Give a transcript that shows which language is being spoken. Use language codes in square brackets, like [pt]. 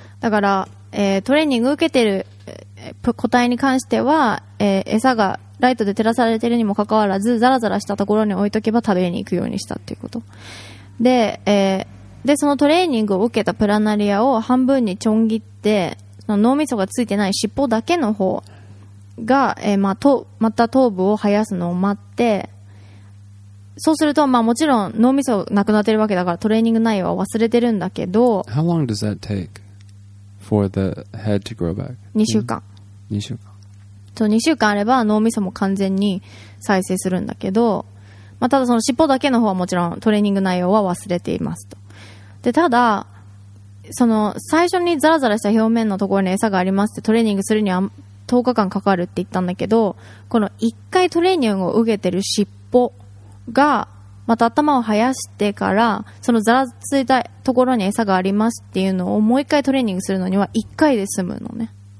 [ja] だから、トレーニングを受けている個体に関しては、餌がライトで照らされてるにもかかわらずザラザラしたところに置いとけば食べに行くようにしたっていうことで、でそのトレーニングを受けたプラナリアを半分にちょん切ってその脳みそがついてない尻尾だけの方が、また頭部を生やすのを待って、そうすると、まあ、もちろん脳みそなくなってるわけだからトレーニング内容は忘れてるんだけど、 [en] How long does that take for the head to grow back? [ja] 2週間、 mm-hmm. 2週間 2週間あれば脳みそも完全に再生するんだけど、まあ、ただその尻尾だけの方はもちろんトレーニング内容は忘れていますと。で、ただその最初にザラザラした表面のところに餌がありますってトレーニングするには10日間かかるって言ったんだけど、この1回トレーニングを受けてる尻尾がまた頭を生やしてからそのザラついたところに餌がありますっていうのをもう1回トレーニングするのには1回で済むのね。